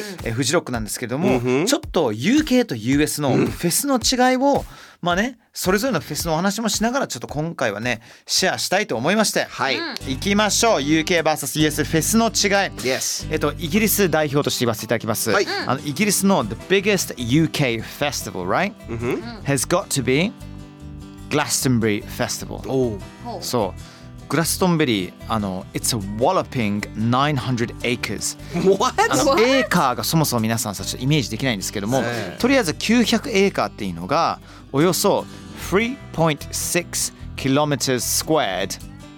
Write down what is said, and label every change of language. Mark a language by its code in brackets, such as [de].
[ja] フジロックなんですけども、うん、ちょっと UK と US のフェスの違いを、うん、まあね、それぞれのフェスのお話もしながらちょっと今回はねシェアしたいと思いまして、はい、行きましょう。 UK vs US フェスの違い、 [en] yes. [ja] イギリス代表として言わせていただきます、はい、あのイギリスの [en] The biggest UK festival right、 mm-hmm. has got to be Glastonbury festival、 oh. そう、グラストンベリー、あの It's a whopping 900 acres。 What? [ja] あの、エーカーがそもそも皆さんさちょっとイメージできないんですけども、とりあえず900エーカーっていうのがおよそ 3.6 kilometers squared。